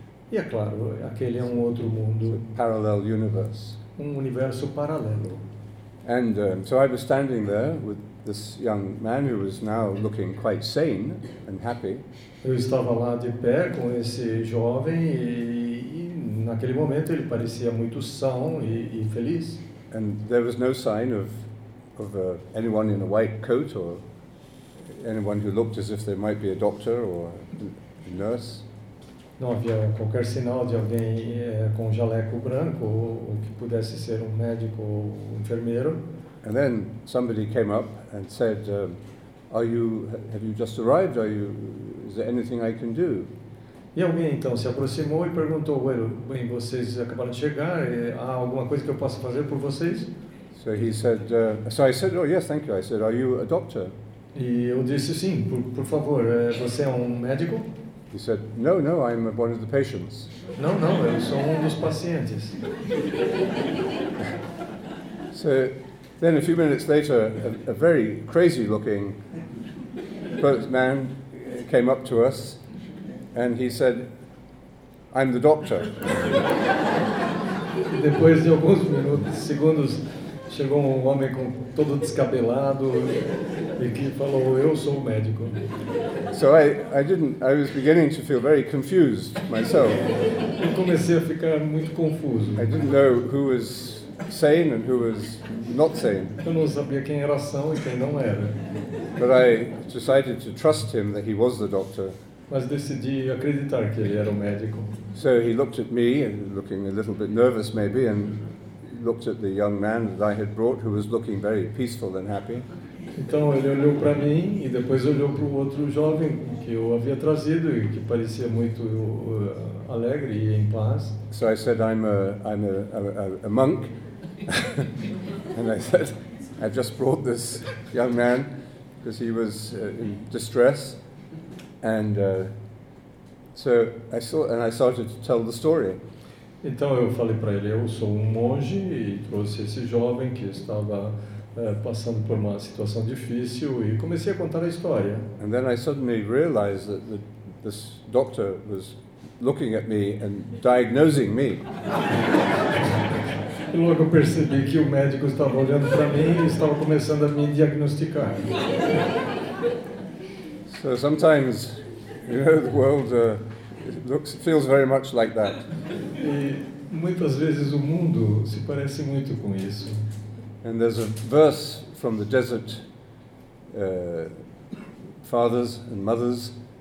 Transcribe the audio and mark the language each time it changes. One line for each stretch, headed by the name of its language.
Portuguese: E é claro, aquele é um outro mundo.
English: Parallel universe.
Portuguese: Um universo paralelo.
English: And so I was standing there with this young man who was now looking quite sane and happy.
Portuguese: Eu estava lá de pé com esse jovem e naquele momento ele parecia muito são e feliz.
English: And there was no sign of anyone in a white coat or anyone who looked as if they might be a doctor or a nurse.
Portuguese: Não havia qualquer sinal de alguém com jaleco branco ou que pudesse ser médico ou enfermeiro.
English: And then somebody came up and said, have you just arrived? Is there anything I can do?
Portuguese: E alguém então se aproximou e perguntou, bem, vocês acabaram de chegar, há alguma coisa que eu possa fazer por vocês?
English: So he said, I said, oh yes, thank you. I said, are you a doctor?
Portuguese: E eu disse, sim, por favor, você é médico?
English: He said, no, no, I'm one of the patients.
Portuguese: Não, não, eu sou dos pacientes.
English: So then a few minutes later, a very crazy looking man came up to us. And he said, I'm the doctor.
Portuguese: Depois de alguns minutos, segundos, chegou homem com todo descabelado e que falou, eu sou médico.
English: So I was beginning to feel very confused myself.
Portuguese: Eu comecei a ficar muito confuso.
English: I didn't know who was sane and who was not sane.
Portuguese: Eu não sabia quem era são e quem não era.
English: But I decided to trust him that he was the doctor.
Portuguese: Mas decidi acreditar que ele era médico.
English: So he looked at me, looking a little bit nervous maybe, and looked at the young man that I had brought, who was looking very peaceful and happy.
Portuguese: Então ele olhou para mim e depois olhou para o outro jovem que eu havia trazido e que parecia muito alegre e em paz.
English: So I said, I'm a monk, and I said, I've just brought this young man because he was in distress. And so I saw, and I started to tell the story.
Portuguese: Então eu falei para ele, eu sou monge e trouxe esse jovem que estava passando por uma situação difícil e comecei a contar a história.
English: And then I suddenly realized that this doctor was looking at me and diagnosing me.
Portuguese: E logo eu percebi que o médico estava olhando para mim e estava começando a me diagnosticar.
English: So sometimes, you know, the world feels very much like that.
Portuguese: E muitas vezes o mundo se parece muito com isso.
English: And there's a verse from the desert fathers and mothers.